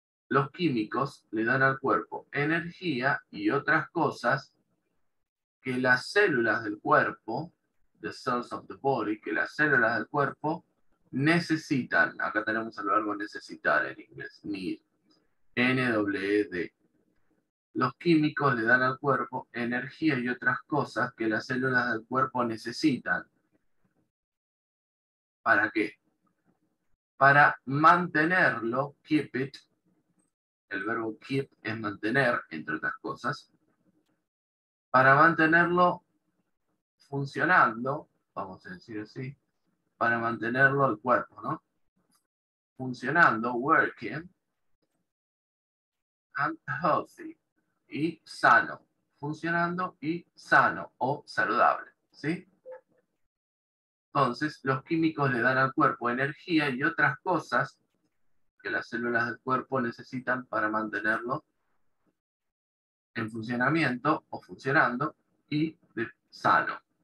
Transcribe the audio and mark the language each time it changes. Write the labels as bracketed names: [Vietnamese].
[Spanish] Los químicos le dan al cuerpo energía y otras cosas que las células del cuerpo, [English] the cells of the body, [Spanish] que las células del cuerpo necesitan. Acá tenemos el verbo necesitar en inglés, need, N-W-E-D. Los químicos le dan al cuerpo energía y otras cosas que las células del cuerpo necesitan. ¿Para qué? Para mantenerlo, [English] keep it. [Spanish] El verbo keep es mantener, entre otras cosas. Para mantenerlo funcionando, vamos a decir así, para mantenerlo al cuerpo, ¿no? Funcionando, [English] working, and healthy. [Spanish] Y sano, funcionando y sano o saludable, ¿sí? Entonces, los químicos le dan al cuerpo energía y otras cosas que las células del cuerpo necesitan para mantenerlo en funcionamiento o funcionando y sano.